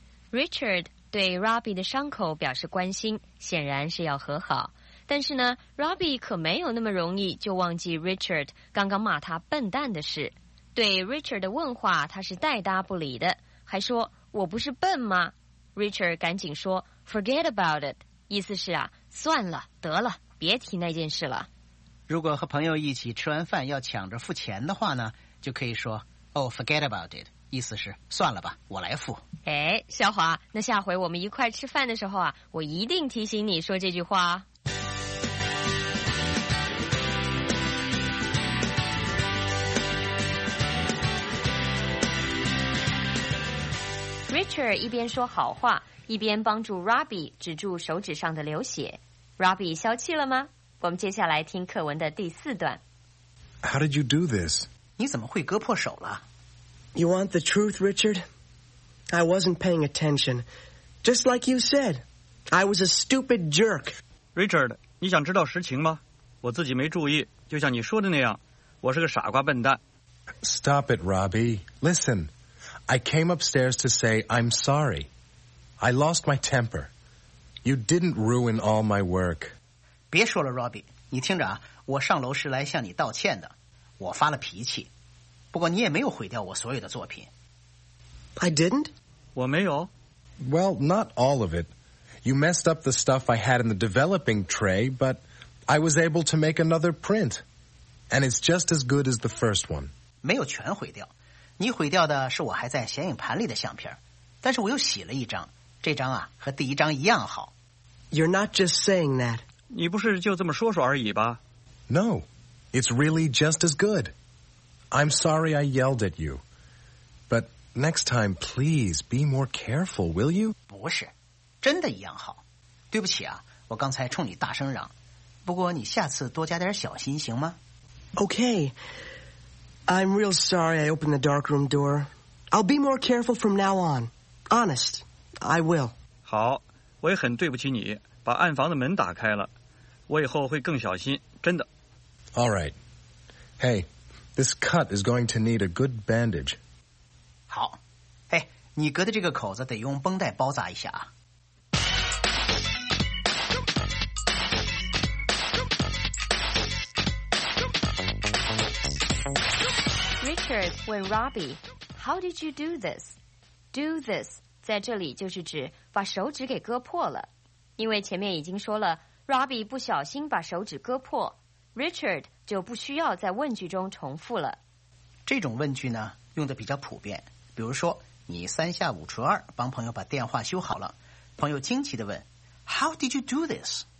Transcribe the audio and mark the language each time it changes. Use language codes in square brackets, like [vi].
[zh] Richard 对 Robbie 的伤口表示关心，显然是要和好。但是呢 ，Robbie 可没有那么容易就忘记 Richard 刚刚骂他笨蛋的事。对 Richard 的问话，他是带搭不理的，还说：“我不是笨吗？” [en] Richard [zh] 赶紧说 [en] ：“Forget about it。” [zh] 意思是啊，算了，得了，别提那件事了。如果和朋友一起吃完饭要抢着付钱的话呢，就可以说。 [en] Oh, forget about it. [zh] 意思是算了吧，我来付。哎，小华，那下回我们一块吃饭的时候啊，我一定提醒你说这句话。 Richard 一边说好话，一边帮助 Robbie 止住手指上的流血。 Robbie 消气了吗？我们接下来听课文的第四段。 [en] How did you do this? [zh] 你怎么会割破手了？ [en] You want the truth, Richard? I wasn't paying attention. Just like you said, I was a stupid jerk. [zh] Richard, 你想知道实情吗？我自己没注意，就像你说的那样，我是个傻瓜笨蛋。 [en] Stop it, Robbie. Listen, I came upstairs to say I'm sorry. I lost my temper. You didn't ruin all my work. [zh] 别说了 ,Robbie. 你听着啊，我上楼是来向你道歉的。我发了脾气。不过你也没有毁掉我所有的作品。 [en] I didn't? [zh] 我没有。 [en] Well, not all of it. You messed up the stuff I had in the developing tray, but I was able to make another print. And it's just as good as the first one. [zh] 没有全毁掉。你毁掉的是我还在显影盘里的相片。但是我又洗了一张。这张啊，和第一张一样好。 [en] You're not just saying that. [zh] 你不是就这么说说而已吧？ [en] No, it's really just as good. I'm sorry I yelled at you. But next time, please be more careful, will you? [zh] 不是，真的一样好。对不起啊，我刚才冲你大声嚷。不过你下次多加点小心行吗？ [en] Okay. I'm real sorry I opened the darkroom door. I'll be more careful from now on. Honest, I will. [zh] 好，我也很对不起你，把暗房的门打开了。我以后会更小心，真的。 [en] All right. Hey. This cut is going to need a good bandage. [zh] 好，哎，你割的这个口子得用绷带包扎一下啊。 [en] Richard [zh] 问 [en] Robbie, "How did you do this?" [zh] Do this 在这里就是指把手指给割破了，因为前面已经说了 ，Robbie 不小心把手指割破。 Richard 就不需要在问句中重复了。这种问句呢，用的比较普遍。比如说，你三下五除二帮朋友把电话修好了，朋友惊奇地问 ： [en] “How did you do this？”